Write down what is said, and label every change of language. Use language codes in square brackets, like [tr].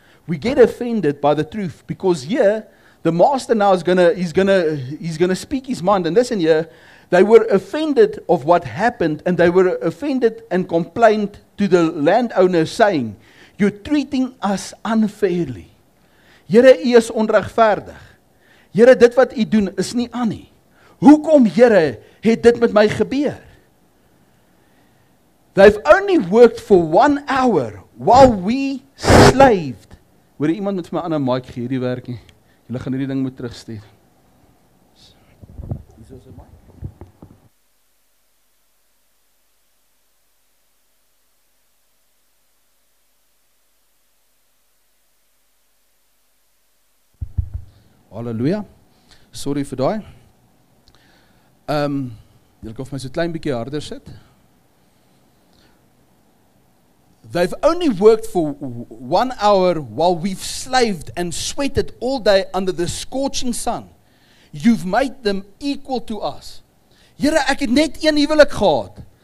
[en] We get offended by the truth because here, the master now is going to speak his mind. And listen here, They were offended of what happened, and they were offended and complained to the landowner saying, "You're treating us unfairly. [af] Here, u is onregverdig. Here, dit wat u doen is nie aan nie. Hoekom, Here, het dit met my gebeur?" [en] They've only worked for 1 hour while we slaved. [af] Hoor iemand met my ander mic gee hierdie werk nie. Hulle gaan hierdie ding moet terugstuur. Halleluja. Sorry vir daai. Jy kan vir my so klein bietjie harder sit. [en] They've only worked for 1 hour while we've slaved and sweated all day under the scorching sun. You've made them equal to us. [af] Here, ek het net een huwelik gehad.